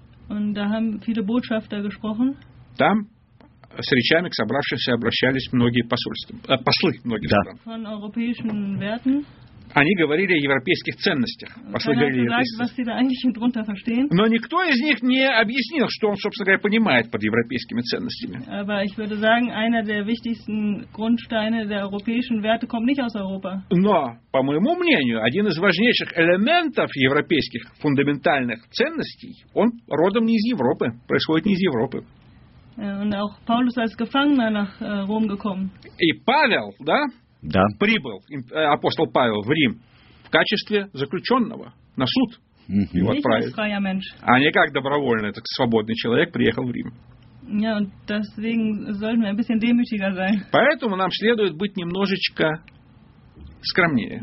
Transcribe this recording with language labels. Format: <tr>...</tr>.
<de>Und da haben viele Botschafter gesprochen.</de> <ru>Там с речами к собравшимся обращались многие посольства, послы многих да. стран.</ru> <de>Von europäischen Werten.</de> <ru>Они говорили о европейских ценностях. Но никто из них не объяснил, что он, собственно говоря, понимает под европейскими ценностями. Но, по моему мнению, один из важнейших элементов европейских фундаментальных ценностей, он родом не из Европы, происходит не из Европы.</ru> <de>Und auch Paulus als Gefangener nach Rom gekommen.</de> <ru>И Павел, да? Да. Прибыл апостол Павел в Рим в качестве заключенного на суд. Его отправили. А не как добровольный, так свободный человек приехал в Рим.</ru> <de>Ja, und deswegen sollten wir ein bisschen demütiger sein.</de> <ru>Поэтому нам следует быть немножечко скромнее.</ru>